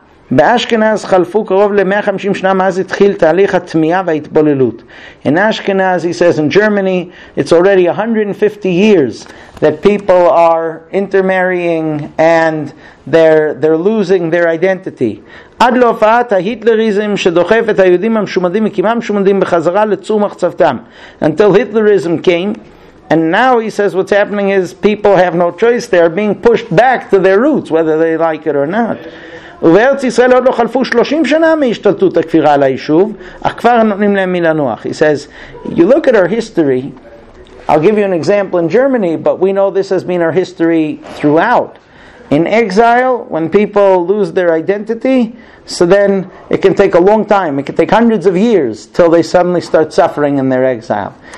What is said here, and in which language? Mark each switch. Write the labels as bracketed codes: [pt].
[he] באשכנז חלפו קרוב ל-150 שנה מאז התחיל תהליך התמיעה וההתבוללות. [en] In Ashkenaz, he says, in Germany, it's already 150 years that people are intermarrying and they're losing their identity. [he] עד להופעת ההיטלריזם שדוחף את היהודים המשומדים וכמעט משומדים בחזרה לצור מחצבתם. [en] Until Hitlerism came, and now he says what's happening is people have no choice, they are being pushed back to their roots, whether they like it or not. [he] ובארץ ישראל עוד לא חלפו 30 שנה מהשתלטות הכפירה על היישוב, אך כבר נותנים להם מלנוח. [en] He says, you look at our history, I'll give you an example in Germany, but we know this has been our history throughout. In exile, when people lose their identity, so then it can take a long time, it can take hundreds of years till they suddenly start suffering in their exile.